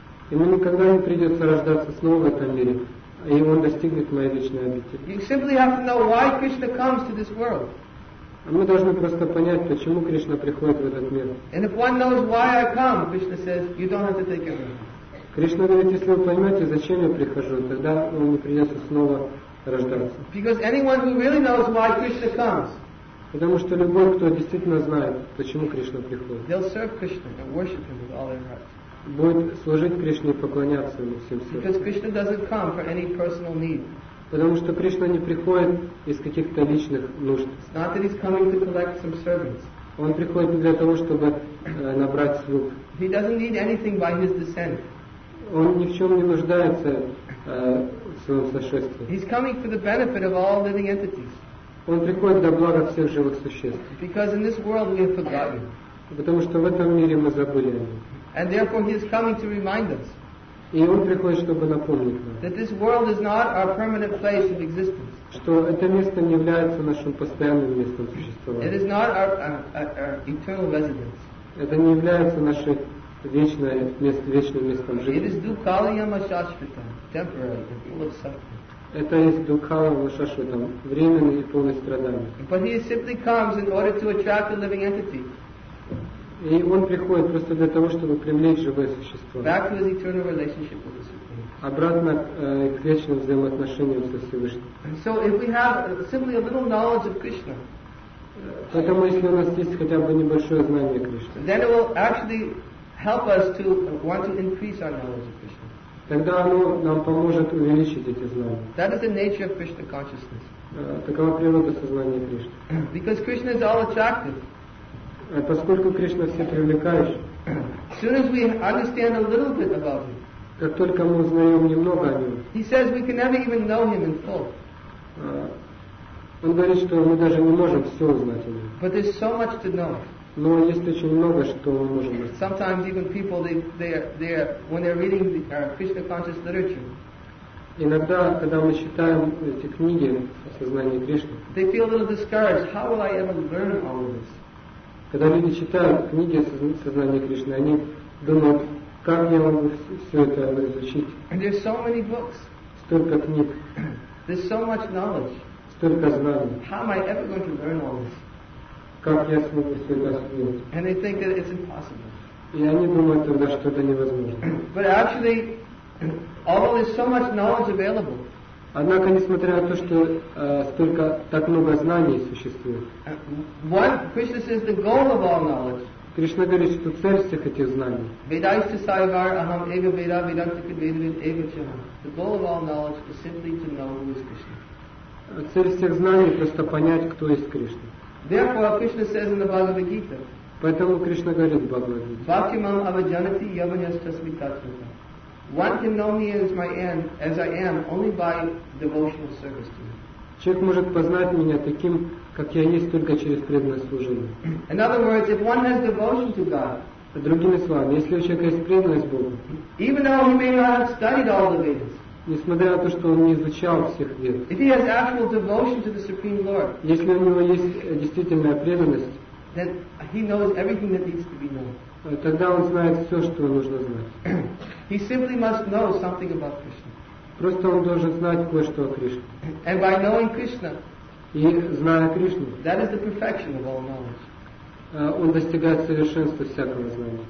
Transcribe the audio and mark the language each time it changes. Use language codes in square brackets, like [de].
[ru] Ему никогда не придется рождаться снова в этом мире, и он достигнет моей личной обители. [en] You simply have to know why Krishna comes to this world. [ru] Мы должны просто понять, почему Кришна приходит в этот мир. [en] And if one knows why I come, Krishna says, you don't have to take your birth. [ru] Кришна говорит, если вы поймете, зачем я прихожу, тогда вам не придется снова рождаться. [en] Because anyone who really knows why Krishna comes. [ru] Потому что любой, кто действительно знает, почему Кришна приходит. [en] They'll serve Krishna and worship him with all their hearts. [ru] Будет служить Кришне и поклоняться ему всем сердцем. [en] Because Krishna doesn't come for any personal need. [ru] Потому что Кришна не приходит из каких-то личных нужд. [en] It's not that he's coming to collect some servants. [ru] Он приходит не для того, чтобы набрать слуг. [en] He doesn't need anything by his descent. [ru] Он ни в чем не нуждается в своем сошествии. [en] He's coming for the benefit of all living entities. [ru] Он приходит для блага всех живых существ. [en] Because in this world we have forgotten. [ru] Потому что в этом мире мы забыли о нем. [en] And therefore he is coming to remind us. [ru] И он приходит, чтобы напомнить нам. [en] That this world is not our permanent place of existence. [ru] Что это место не является нашим постоянным местом существования. [en] It is not our eternal residence. [ru] Это не является нашей вечное место, вечным местом жизни. [en] It is [sa] dukkhalayama shashvatam, [en] temporary and full of suffering. [ru] Это есть [sa] dukkhalayama shashvatam, [ru] временный и полный страданий. [en] But he simply comes in order to attract a living entity. [ru] И он приходит просто для того, чтобы привлечь живое существо. [en] Back to his eternal relationship with the Supreme. [ru] Обратно к вечным взаимоотношениям со Всевышним. [en] So if we have simply a little knowledge of Krishna. [ru] Поэтому если у нас есть хотя бы небольшое знание Кришны. [en] Then it will actually help us to want to increase our knowledge of Krishna. [ru] Тогда оно нам поможет увеличить эти знания. [en] That is the nature of Krishna consciousness. [ru] Такова природа сознания Кришны. [en] Because Krishna is all attractive. [ru] Поскольку Кришна все привлекающий. [en] As soon as we understand a little bit about him. [ru] Как только мы узнаем немного о нем. [en] He says we can never even know him in full. [ru] Он говорит, что мы даже не можем все узнать о нем. [en] But there's so much to know. [ru] Но есть очень много, что мы можем узнать. [en] Sometimes even people they are when they're reading the Krishna conscious literature. [ru] Иногда, когда мы читаем эти книги о сознании Кришны. [en] They feel a little discouraged. How will I ever learn all of this? [ru] Когда люди читают книги о сознании Кришны, они думают, как я могу все это изучить. [en] And there's so many books. [ru] Столько книг. [en] There's so much knowledge. [ru] Столько знаний. [en] How am I ever going to learn all this? [ru] Как я смогу все это освоить? [en] And they think that it's impossible. [ru] И они думают тогда, что это невозможно. [en] But actually, although there's so much knowledge available. [ru] Однако, несмотря на то, что столько так много знаний существует. [en] What Krishna says the goal of all knowledge. [ru] Кришна говорит, что цель всех этих знаний. [sa] Vedaisya saivar aham eva veda vedantika vedavin eva chaha. [en] The goal of all knowledge is simply to know who is Krishna. [ru] Цель всех знаний просто понять, кто есть Кришна. [en] Therefore, Krishna says in the Bhagavad Gita. [ru] Поэтому Кришна говорит в Бхагавад Гите. [sa] Bhakti mam avajanati yavanyastasmi tatvata. [en] One can know me as my end, as I am, only by devotional service to me. [ru] Человек может познать меня таким, как я есть, только через преданное служение. [en] In other words, if one has devotion to God. [ru] Другими словами, если у человека есть преданность Богу. [en] Even though he may not have studied all the Vedas. [ru] Несмотря на то, что он не изучал всех Вед. [en] If he has actual devotion to the Supreme Lord. [ru] Если у него есть действительная преданность. [en] Then he knows everything that needs to be known. [ru] Тогда он знает все, что нужно знать. [en] He simply must know something about Krishna. [ru] Просто он должен знать кое-что о Кришне. [en] And by knowing Krishna, [ru] их зная Кришну. [en] That is the perfection of all knowledge. [ru] Он достигает совершенства всякого знания.